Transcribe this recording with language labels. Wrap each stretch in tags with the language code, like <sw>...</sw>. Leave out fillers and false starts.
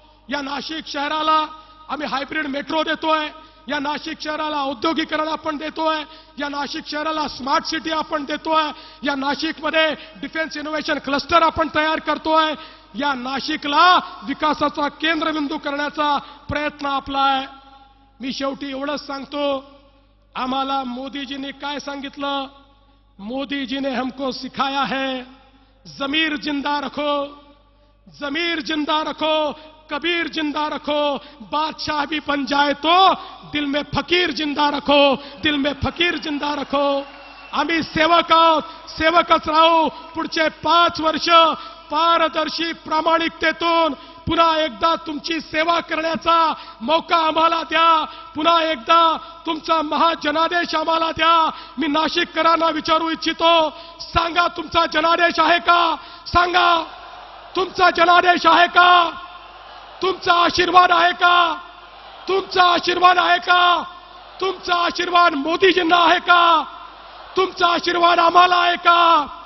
<mr>या नाशिक शहराला आम्ही हायब्रिड मेट्रो देतोय, या नाशिक शहराला औद्योगिकरण आपण देतोय, या नाशिक शहराला स्मार्ट सिटी आपण देतोय, या नाशिकमध्ये डिफेन्स इनोव्हेशन क्लस्टर आपण तयार करतोय, या नाशिकला विकासाचा केंद्रबिंदू करण्याचा प्रयत्न आपला आहे. मी शेवटी एवढंच सांगतो, आम्हाला मोदीजींनी काय सांगितलं,</mr> <hi>मोदीजीने हमको सिखाया है जमीर जिंदा रखो, जमीर जिंदा रखो, कबीर जिंदा रखो, बादशाह भी बन जाए तो दिल में फकीर जिंदा रखो,</hi> <mr>दिल में फकीर जिंदा रखो. आम्ही सेवक आहोत, सेवकच राहू. पुढचे 5 वर्ष पारदर्शी प्रामाणिकतेतून पुन्हा एकदा तुमची सेवा करण्याचा मौका आम्हाला द्या, पुन्हा एकदा तुमचा महाजनादेश आम्हाला द्या. मी नाशिककरांना विचारू इच्छितो, सांगा तुमचा जनादेश आहे का, सांगा तुमचा जनादेश आहे का, तुमचा आशीर्वाद आहे का, तुमचा आशीर्वाद आहे का, तुमचा आशीर्वाद मोदीजींना आहे का, तुमचा आशीर्वाद आम्हाला आहे का.</mr>